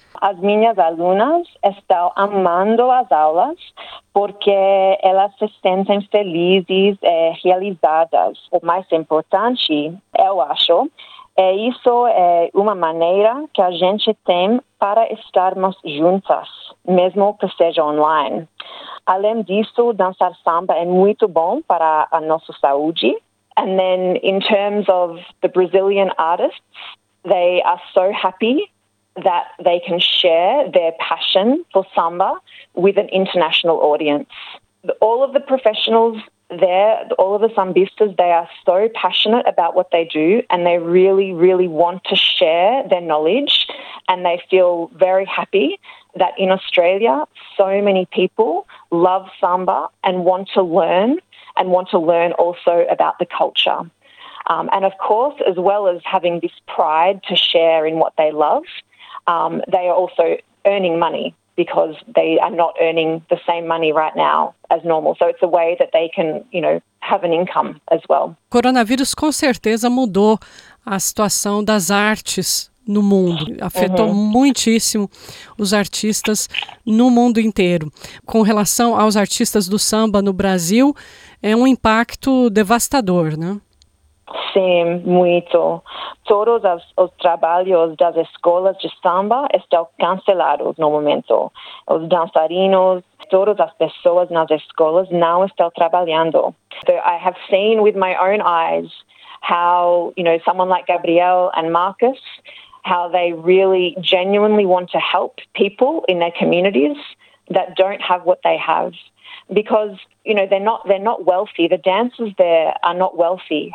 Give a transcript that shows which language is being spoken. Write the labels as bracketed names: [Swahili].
[Portuguese] As minhas alunas estão amando as aulas porque elas se sentem felizes e realizadas. O mais importante, eu acho, é isso é uma maneira que a gente tem para estarmos juntas, mesmo que seja online. Além disso, dançar samba é muito bom para a nossa saúde. [English] And then in terms of the Brazilian artists, they are so happy that they can share their passion for samba with an international audience. All of the professionals there, all of the sambistas, they are so passionate about what they do and they really, really want to share their knowledge, and they feel very happy that in Australia, so many people love samba and want to learn, and want to learn also about the culture. And of course, as well as having this pride to share in what they love, they are also earning money, because they are not earning the same money right now as normal. So it's a way that they can, you know, have an income as well. [Portuguese] Coronavírus com certeza mudou a situação das artes no mundo. Afetou muitíssimo os artistas no mundo inteiro. Com relação aos artistas do samba no Brasil, é um impacto devastador, né? Sim, muito. Todos os trabalhos das escolas de samba estão cancelados no momento. Os dançarinos, todas as pessoas nas escolas não estão trabalhando. [English] So I have seen with my own eyes how, you know, someone like Gabriel and Marcus, how they really genuinely want to help people in their communities that don't have what they have. Because, you know, they're not wealthy. The dancers there are not wealthy.